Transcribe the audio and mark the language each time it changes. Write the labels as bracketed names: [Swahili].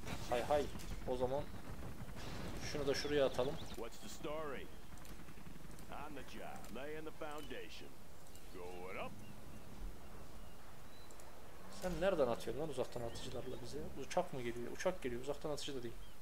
[Turkish] Hay hay, o zaman şunu da şuraya atalım. [English] What's the story? On the job, laying the foundation. Going up. [Turkish] Sen nereden atıyorsun lan uzaktan atıcılarla bize? Uçak mı geliyor? Uçak geliyor, uzaktan atıcı da değil.